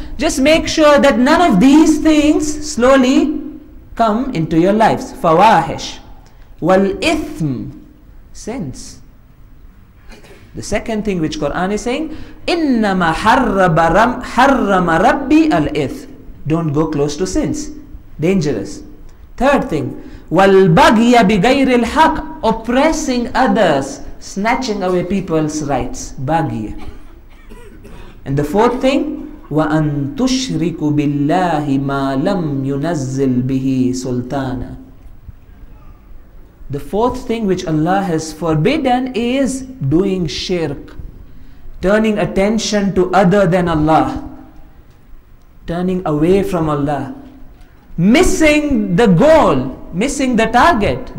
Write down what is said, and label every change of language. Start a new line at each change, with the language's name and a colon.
English: Just make sure that none of these things slowly come into your lives. Fawahish.
Arabic: Wal ithm,
English: sins. The second thing which Quran is saying,
Arabic: innama harrama rabbi al ithm.
English: Don't go close to sins. Dangerous. Third thing,
Arabic: وَالْبَغْيَ بِغَيْرِ الْحَقِّ.
English: Oppressing others, snatching away people's rights.
Arabic: بَغْيَ.
English: And the fourth thing,
Arabic: وَأَن تُشْرِكُ بِاللَّهِ مَا لَمْ يُنَزِّلْ بِهِ سُلْطَانًا.
English: The fourth thing which Allah has forbidden is doing shirk, turning attention to other than Allah, turning away from Allah, missing the goal, missing the target.